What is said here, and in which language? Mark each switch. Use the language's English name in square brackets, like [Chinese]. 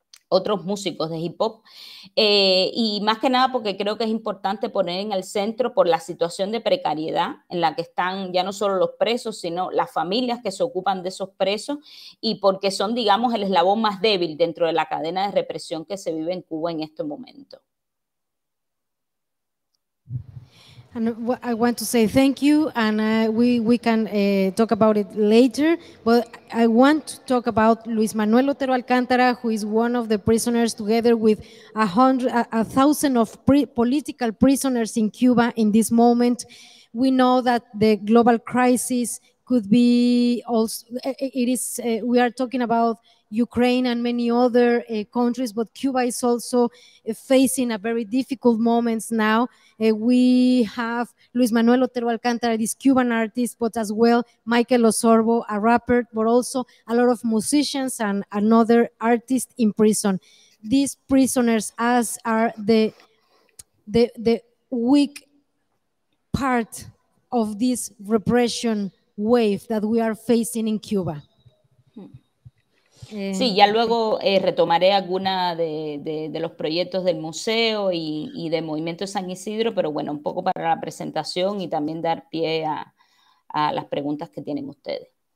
[Spanish] otros músicos de hip hop, y más que nada porque creo que es importante poner en el centro por la situación de precariedad en la que están ya no solo los presos, sino las familias que se ocupan de esos presos, y porque son, digamos, el eslabón más débil dentro de la cadena de represión que se vive en Cuba en este momento. [English] And I want to say thank you, and we can talk about it later, but I want to talk about Luis Manuel Otero Alcántara, who is one of the prisoners together with 1,000 of political prisoners in Cuba in this moment. We know that the global crisis could be also, it is, we are talking about Ukraine and many other countries, but Cuba is also facing a very difficult moment now. We have Luis Manuel Otero Alcántara, this Cuban artist, but as well Michael Osorbo, a rapper, but also a lot of musicians and another artist in prison. These prisoners as are the weak part of this repression wave that we are facing in Cuba. [Spanish] Sí, ya luego retomaré alguna de los proyectos del museo y del Movimiento San Isidro, pero bueno, un poco para la presentación y también dar pie a las preguntas que tienen ustedes.